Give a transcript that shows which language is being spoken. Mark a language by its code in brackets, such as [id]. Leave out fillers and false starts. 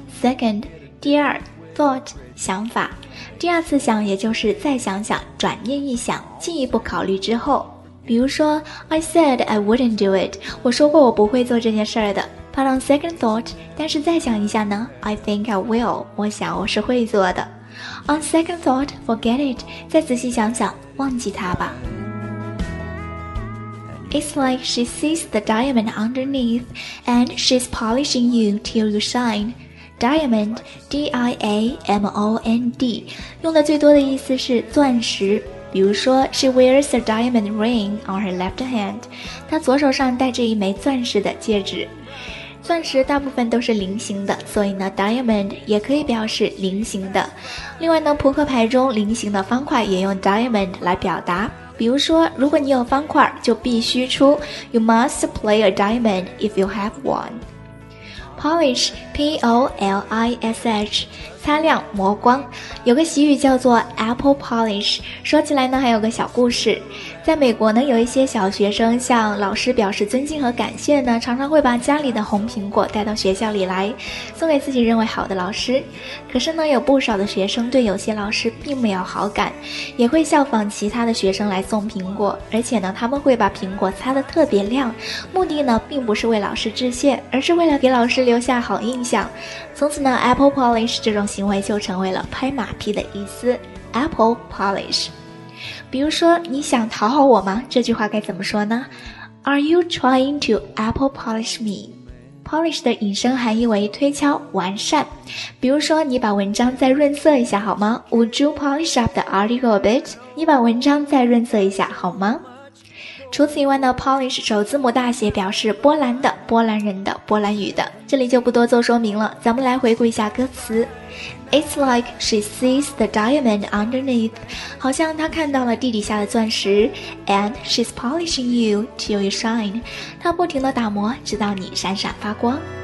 [zh] Second，第二 ,thought, 想法。第二次想也就是再想想，转念一想，进一步考虑之后。比如说 , [en] I said I wouldn't do it, [zh] 我说过我不会做这件事的。 [en] But on second thought, [zh] 但是再想一下呢 , [en] I think I will, [zh] 我想我是会做的。 [en] On second thought, forget it, [zh] 再仔细想想，忘记它吧。 [en] It's like she sees the diamond underneath, and she's polishing you till you shine. [zh] Diamond, D-I-A-M-O-N-D， 用的最多的意思是钻石。比如说 [en] She wears a diamond ring on her left hand， [zh] 她左手上戴着一枚钻石的戒指。钻石大部分都是菱形的，所以呢 Diamond 也可以表示菱形的。另外呢，扑克牌中菱形的方块也用 Diamond 来表达。比如说如果你有方块就必须出 [en] You must play a diamond if you have one。 [zh] Polish, P-O-L-I-S-H, 擦亮、磨光。有个习语叫做 Apple Polish， 说起来呢还有个小故事。在美国呢，有一些小学生向老师表示尊敬和感谢呢，常常会把家里的红苹果带到学校里来，送给自己认为好的老师。可是呢，有不少的学生对有些老师并没有好感，也会效仿其他的学生来送苹果，而且呢，他们会把苹果擦得特别亮，目的呢，并不是为老师致谢，而是为了给老师留下好印象。从此呢 ，Apple Polish 这种行为就成为了拍马屁的意思 ，Apple Polish。比如说你想讨好我吗？这句话该怎么说呢？ [en] Are you trying to apple polish me? [zh] Polish 的引申含义为推敲、完善。比如说你把文章再润色一下好吗？ [en] Would you polish up the article a bit? [zh] 你把文章再润色一下好吗？除此以外呢， Polish 首字母大写表示波兰的、波兰人的、波兰语的，这里就不多做说明了。咱们来回顾一下歌词。 [en] It's like she sees the diamond underneath， [zh] 好像她看到了地底下的钻石。 [en] And she's polishing you till you shine， [zh] 她不停地打磨直到你闪闪发光。